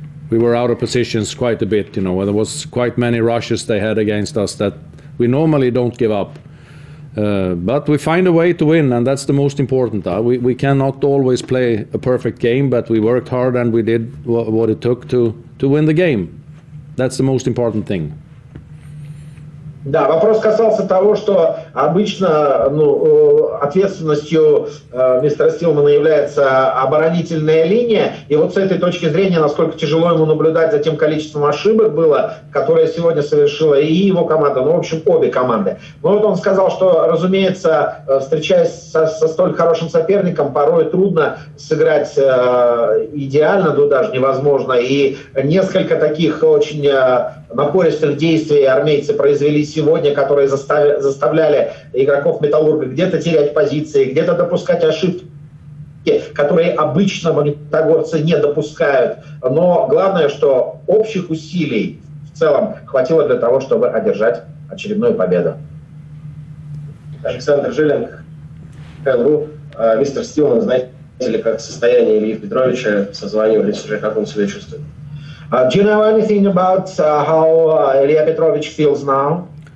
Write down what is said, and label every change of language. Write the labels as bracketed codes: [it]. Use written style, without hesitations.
[en] we were out of positions quite a bit, you know. There was quite many rushes they had against us that we normally don't give up. But we find a way to win, and that's the most important. We cannot always play a perfect game, but we worked hard and we did what it took to win the game. That's the most important thing. [ru] Да, вопрос касался того, что обычно ответственностью мистера Стилмана является оборонительная линия. И вот с этой точки зрения, насколько тяжело ему наблюдать за тем количеством ошибок было, которое сегодня совершила и его команда, в общем, обе команды. Но вот он сказал, что, разумеется, встречаясь со столь хорошим соперником, порой трудно сыграть идеально, даже невозможно. И несколько таких очень напористых действий армейцы произвели сегодня, которые заставляли игроков «Металлурга» где-то терять позиции, где-то допускать ошибки, которые обычно магнитогорцы не допускают. Но главное, что общих усилий в целом хватило для того, чтобы одержать очередную победу. Александр Жиленг, КНРУ. Мистер Стилман, знаете ли, как состояние Ильи Петровича, созванивались уже, как он себя чувствует? [en] Do you know anything about how Ilya Petrovich feels now?